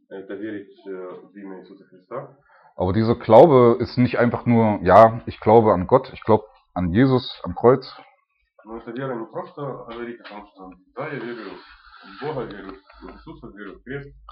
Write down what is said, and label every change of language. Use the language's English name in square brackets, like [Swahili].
[Ukrainian] Та вірить в ім'я Ісуса Христа. [German] Aber dieser Glaube ist nicht einfach nur, ja, ich glaube an Gott, ich glaube an Jesus am Kreuz. [Russian] Но эта вера не просто говорит о том, что да, я верю в Бога, верю в Иисуса, верю в крест.